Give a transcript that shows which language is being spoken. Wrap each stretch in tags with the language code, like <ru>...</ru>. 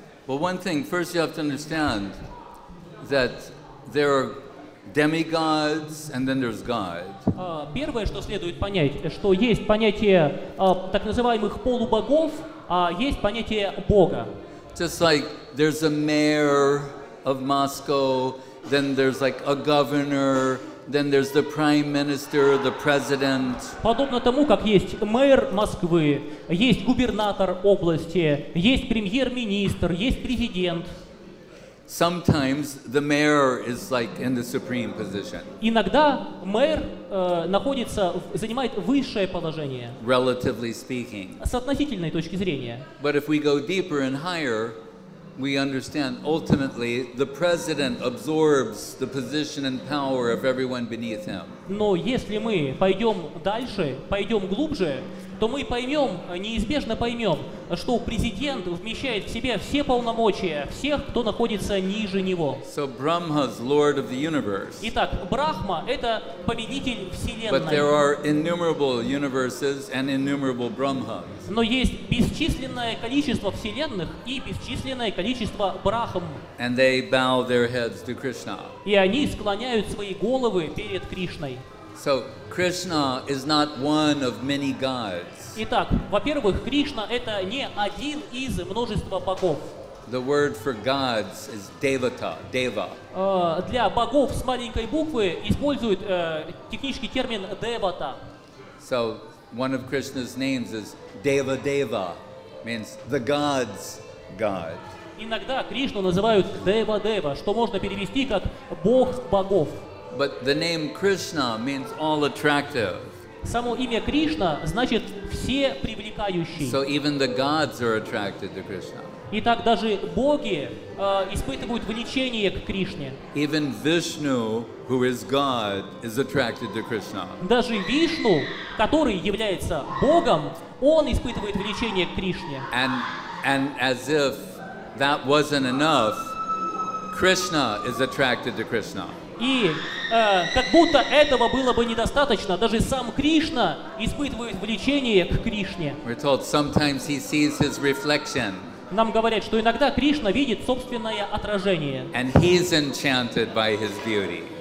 <en>Well, one thing, first you have to understand that there are demigods and then there's God.</en> <ru>Первое, что следует понять, что есть понятие так называемых полубогов, а есть понятие Бога.</ru> <en>Just like there's a mayor of Moscow, then there's like a governor, then there's the prime minister, the president.</en> <ru>Подобно тому, как есть мэр Москвы, есть губернатор области, есть премьер-министр, есть президент.</ru> <en>Sometimes the mayor is like in the supreme position.</en> <ru>Иногда мэр находится, занимает высшее положение.</ru> <en>Relatively speaking.</en> <ru>С относительной точки зрения.</ru> <en>But if we go deeper and higher, we understand ultimately the president absorbs the position and power of everyone beneath him.</en> <ru>Но если мы пойдем дальше, пойдем глубже, то мы поймем, неизбежно поймем, что президент вмещает в себя все полномочия всех, кто находится ниже него.</ru> <en>So Brahma's lord of the universe.</en> <ru>Итак, Брахма — это победитель Вселенной.</ru> <en>But there are innumerable universes and innumerable Brahmas.</en> <ru>Но есть бесчисленное количество Вселенных и бесчисленное количество Брахм.</ru> <en>And they bow their heads to Krishna.</en> <ru>И они склоняют свои головы перед Кришной.</ru> <en>So Krishna is not one of many gods.</en> <ru>Итак, во-первых, Кришна это не один из множества богов.</ru> <en>The word for gods is devata, deva.</en> <ru>Для богов с маленькой буквы используют технический термин devata.</ru> <en>So one of Krishna's names is deva deva, means the gods' god.</en> <ru>Иногда Кришну называют дева дева, что можно перевести как бог богов.</ru> <en>But the name Krishna means all attractive.</en> <ru>Само имя Кришна значит все привлекающие.</ru> <en>So even the gods are attracted to Krishna.</en> <ru>Итак, даже боги испытывают влечение к Кришне.</ru> <en>Even Vishnu, who is God, is attracted to Krishna.</en> <ru>Даже Вишну, который является богом, он испытывает влечение к Кришне.</ru> <en>And as if that wasn't enough, Krishna is attracted to Krishna.</en> <ru>И как будто этого было бы недостаточно, даже сам Кришна испытывает влечение к Кришне.</ru> <en>We're told sometimes he sees his reflection.</en> <ru>Нам говорят, что иногда Кришна видит собственное отражение.</ru> <en>And he's enchanted by his beauty.</en>